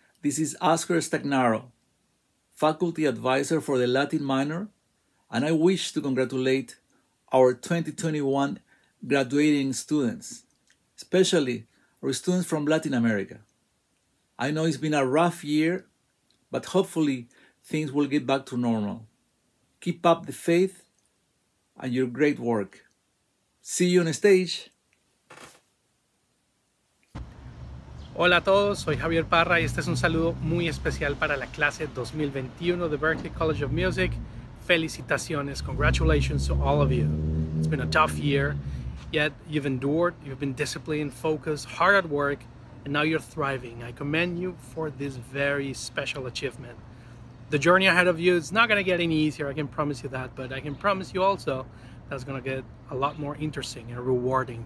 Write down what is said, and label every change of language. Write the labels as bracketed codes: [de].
[en] This is Oscar Stagnaro, faculty advisor for the Latin minor, and I wish to congratulate our 2021 graduating students, especially our students from Latin America. I know it's been a rough year, but hopefully things will get back to normal. Keep up the faith and your great work. See you on stage. [es] Hola a todos, soy Javier Parra y este es un saludo muy especial para la clase 2021 de Berklee College of Music. Felicitaciones, [en] congratulations to all of you. It's been a tough year, yet you've endured, you've been disciplined, focused, hard at work, and now you're thriving. I commend you for this very special achievement. The journey ahead of you is not gonna get any easier, I can promise you that, but I can promise you also that's gonna get a lot more interesting and rewarding.